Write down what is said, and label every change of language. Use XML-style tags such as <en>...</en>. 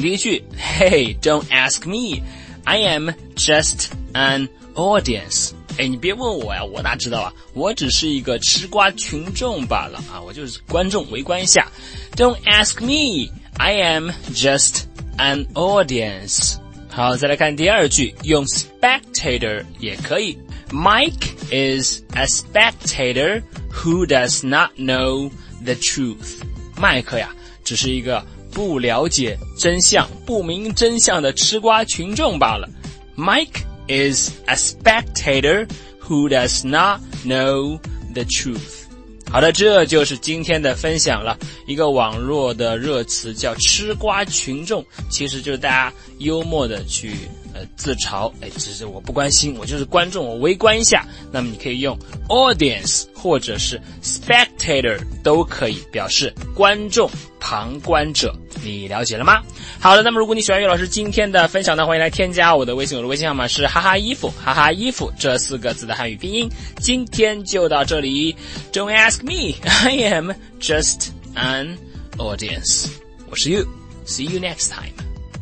<zh>第一句，</zh> <en>Hey, don't ask me, I am just an audience。</en> <zh>哎，你别问我呀，我哪知道啊，我只是一个吃瓜群众罢了啊，我就是观众，围观一下。</zh> <en>Don't ask me, I am just an audience。</en> <zh>好，再来看第二句，用 spectator 也可以。</zh> <en>Mike is a spectator who does not know the truth.</en> <zh>麦克呀，只是一个不了解真相、不明真相的吃瓜群众罢了。</zh> <en>Mike is a spectator who does not know the truth.</en> <zh>好的，这就是今天的分享了。一个网络的热词叫吃瓜群众，其实就是大家幽默的去自嘲，只是我不关心，我就是观众，我围观一下。那么你可以用 audience 或者是 spectator 都可以表示观众、旁观者，你了解了吗？好的，那么如果你喜欢岳老师今天的分享呢，欢迎来添加我的微信，我的微信号码是哈哈衣服，哈哈衣服这四个字的汉语拼音。今天就到这里，</zh> <en>Don't ask me, I am just an audience。</en> <zh>我是</zh> <en>you, see you next time。</en>